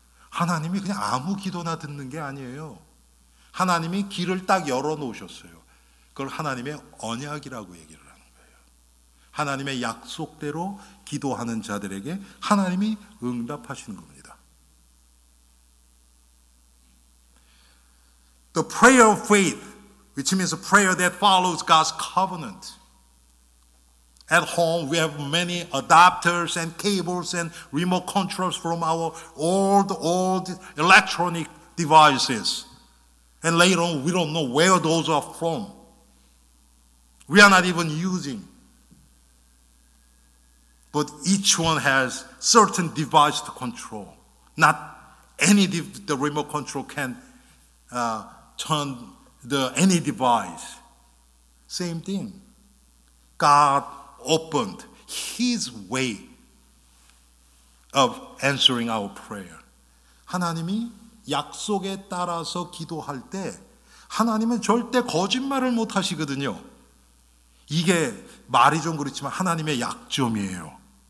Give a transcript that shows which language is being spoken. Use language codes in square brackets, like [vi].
[ko] 하나님이 그냥 아무 기도나 듣는 게 아니에요. 하나님이 길을 딱 열어놓으셨어요. 그걸 하나님의 언약이라고 얘기를 하는 거예요. 하나님의 약속대로 기도하는 자들에게 하나님이 응답하시는 겁니다. [en] The prayer of faith, which means a prayer that follows God's covenant. At home, we have many adapters and cables and remote controls from our old electronic devices. And later on, we don't know where those are from. We are not even using. But each one has certain device to control. Not any the remote control can turn any device. Same thing. God opened His way of answering our prayer. [ko] 하나님이 약속에 따라서 기도할 때 하나님은 절대 거짓말을 못 하시거든요. 이게 말이 좀 그렇지만 하나님의 약점이에요.